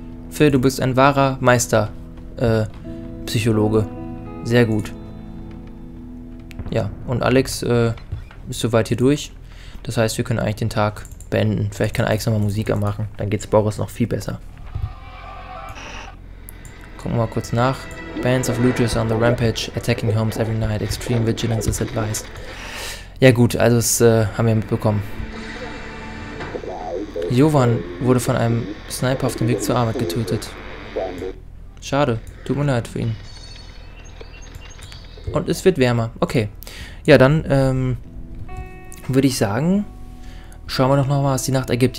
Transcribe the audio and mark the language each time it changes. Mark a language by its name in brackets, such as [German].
[German] Phil, du bist ein wahrer Meister. Psychologe. Sehr gut. Ja, und Alex ist soweit hier durch. Das heißt, wir können eigentlich den Tag beenden. Vielleicht kann Alex nochmal Musik anmachen. Dann geht's Boris noch viel besser. Gucken wir mal kurz nach. [English] Bands of Looters on the Rampage. Attacking homes every night. Extreme vigilance is advised. [German] Ja gut, also das haben wir mitbekommen. Jovan wurde von einem Sniper auf dem Weg zur Arbeit getötet. Schade. Tut mir leid für ihn. Und es wird wärmer. Okay. Ja, dann würde ich sagen, schauen wir doch noch mal, was die Nacht ergibt.